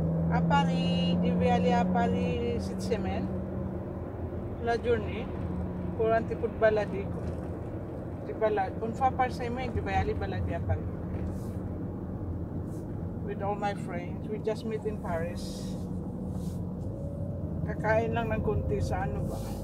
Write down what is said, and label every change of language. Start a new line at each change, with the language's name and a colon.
French: À Paris, je vais aller à Paris cette semaine. La journée pour un petit peu de balader. Je balade. Une fois par semaine, je vais aller balader à Paris.
English: With all my friends, we just meet in Paris.
Filipino: Kakain lang ng konti sa ano ba?